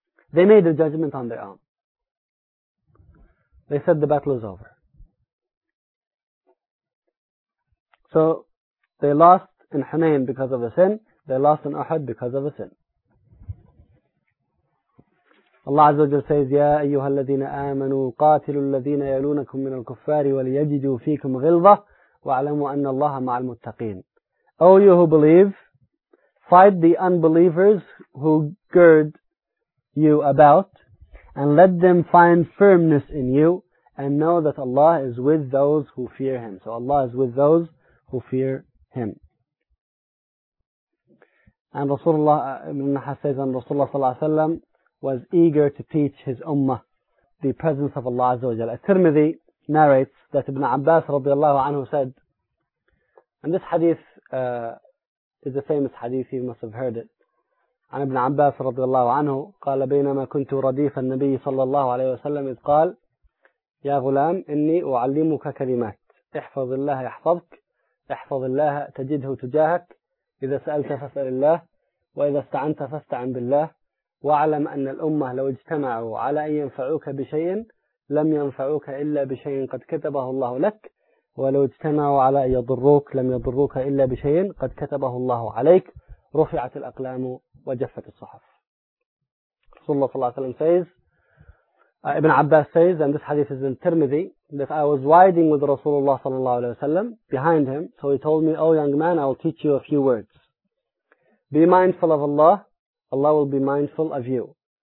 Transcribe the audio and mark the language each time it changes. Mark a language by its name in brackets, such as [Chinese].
[English] They made a judgment on their own. They said the battle is over. So they lost in Hunayn because of a sin. They lost in Uhud because of a sin. Allah Azza wa Jalla says, [Arabic] يَا أَيُّهَا الَّذِينَ آمَنُوا قَاتِلُوا الَّذِينَ يَلُونَكُمْ مِنَ الْكُفَّارِ وَلِيَجِدُوا فِيكُمْ غِلْظَةً وَعَلَمُوا أَنَّ اللَّهَ مَعَ الْمُتَّقِينَ. [English] O you who believe, fight the unbelievers who gird you about, and let them find firmness in you, and know that Allah is with those who fear Him. So Allah is with those who fear Him. And Rasulullah ibn Nahas says, and Rasulullah sallallahu alayhi wa sallam was eager to teach his ummah the presence of Allah azza wa jalla. At-Tirmidhi narrates that Ibn Abbas radiallahu anhu said, and this hadith is a famous hadith, you must have heard it. [Arabic] عن ابن عباس رضي الله عنه قال بينما كنت رديف النبي صلى الله عليه وسلم إذ قال يا غلام إني أعلمك كلمات احفظ الله يحفظك احفظ الله تجده تجاهك إذا سألت فاسأل الله وإذا استعنت فاستعن بالله واعلم أن الأمة لو اجتمعوا على أن ينفعوك بشيء لم ينفعوك إلا بشيء قد كتبه الله لك ولو اجتمعوا على أن يضروك لم يضروك إلا بشيء قد كتبه الله عليك رفعت الأقلام وجفت الصحف. رسول الله صلى الله عليه وسلم [English] says, Ibn Abbas says, and this hadith is in Tirmidhi, that I was riding with Rasulullah sallallahu alayhi wa sallam behind him, so he told me, oh young man, I will teach you a few words. Be mindful of Allah, Allah will be mindful of you.